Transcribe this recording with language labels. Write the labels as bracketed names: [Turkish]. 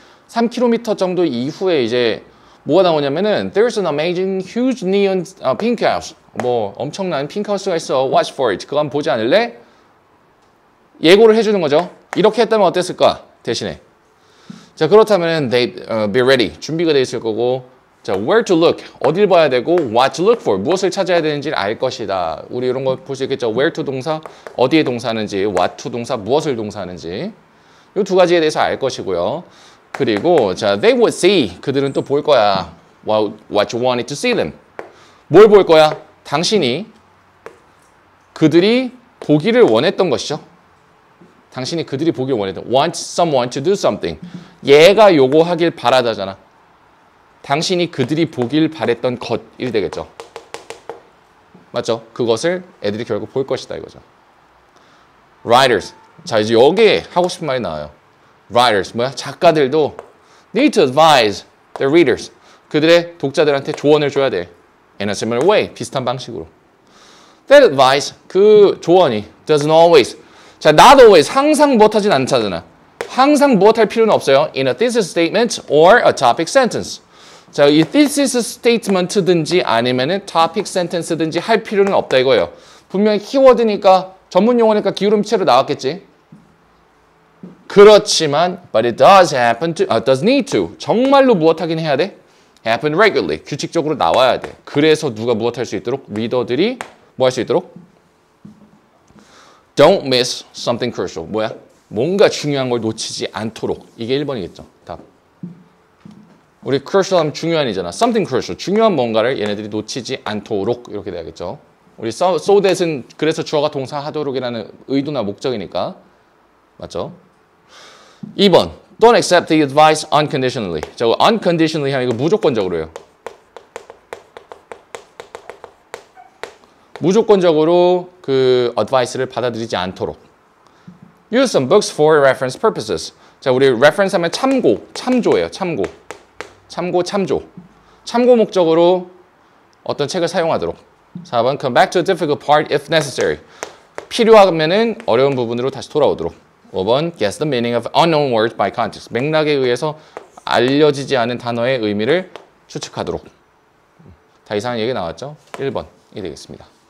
[Korean] 3km 정도 이후에 이제 뭐가 나오냐면은 [English] there's an amazing huge neon pink house. [Korean] 뭐 엄청난 pink house가 있어. [English] Watch for it. [Korean] 그거 한번 보지 않을래? 예고를 해주는 거죠. 이렇게 했다면 어땠을까? 대신에. 자, 그렇다면은 [English] be ready. [Korean] 준비가 되어 있을 거고. 자, [English] where to look. [Korean] 어딜 봐야 되고 [English] what to look for. [Korean] 무엇을 찾아야 되는지 알 것이다. 우리 이런 거 볼 수 있겠죠. where to 동사, 어디에 동사하는지. what to 동사, 무엇을 동사하는지. 이 두 가지에 대해서 알 것이고요. 그리고 자, [English] they would see. [Korean] 그들은 또 볼 거야. [English] what you wanted to see them. [Korean] 뭘 볼 거야? 당신이 그들이 보기를 원했던 것이죠. 당신이 그들이 보기를 원했던 [English] want someone to do something. [Korean] 얘가 요거 하길 바라다잖아. 당신이 그들이 보길 바랬던 것이 되겠죠. 맞죠? 그것을 애들이 결국 볼 것이다 이거죠. [English] Writers. [Korean] 자, 이제 여기에 하고 싶은 말이 나와요. [English] Writers. [Korean] 뭐야? 작가들도 [English] need to advise the readers. [Korean] 그들의 독자들한테 조언을 줘야 돼. [English] In a similar way. [Korean] 비슷한 방식으로. [English] That advice. [Korean] 그 조언이 [English] doesn't always. [Korean] 자, [English] not always. [Korean] 항상 못하진 않잖아. 항상 못할 필요는 없어요. [English] In a thesis statement or a topic sentence. [Korean] 자, 이 thesis statement든지 아니면은 topic sentence든지 할 필요는 없다 이거예요. 분명히 키워드니까 전문 용어니까 기울음체로 나왔겠지. 그렇지만 [English] but it does happen to, does need to. [Korean] 정말로 무엇하긴 해야 돼? [English] Happen regularly. [Korean] 규칙적으로 나와야 돼. 그래서 누가 무엇할 수 있도록? 리더들이 뭐 할 수 있도록? [English] Don't miss something crucial. [Korean] 뭐야? 뭔가 중요한 걸 놓치지 않도록. 이게 1번이겠죠. 답. 우리 crucial 하면 중요한이잖아. [English] Something crucial. [Korean] 중요한 뭔가를 얘네들이 놓치지 않도록 이렇게 돼야겠죠. 우리 so that은 그래서 주어가 동사하도록이라는 의도나 목적이니까. 맞죠? 2번. [English] Don't accept the advice unconditionally. [Korean] 저 unconditionally 하면 이거 무조건적으로 해요. 무조건적으로 그 advice를 받아들이지 않도록. [English] Use some books for reference purposes. [Korean] 자, 우리 reference 하면 참고, 참조예요. 참고. 참고, 참조. 참고 목적으로 어떤 책을 사용하도록. [English] 4번, come back to a difficult part if necessary. [Korean] 필요하면은 어려운 부분으로 다시 돌아오도록. [English] 5번, guess the meaning of unknown words by context. [Korean] 맥락에 의해서 알려지지 않은 단어의 의미를 추측하도록. 다 이상한 얘기 나왔죠? 1번이 되겠습니다.